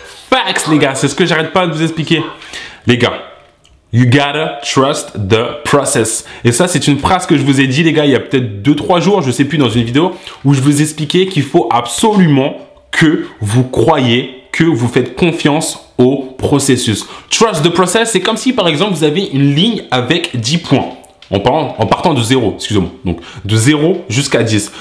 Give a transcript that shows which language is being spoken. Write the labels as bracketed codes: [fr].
[fr] Facts, les gars, c'est ce que j'arrête pas de vous expliquer. Les gars, [en] you gotta trust the process. [fr] Et ça, c'est une phrase que je vous ai dit, les gars, il y a peut-être 2-3 jours, je sais plus, dans une vidéo, où je vous expliquais qu'il faut absolument que vous croyez, que vous faites confiance au processus. [en] Trust the process, [fr] c'est comme si par exemple vous avez une ligne avec 10 points. En partant de 0, excusez-moi. Donc de 0 jusqu'à 10.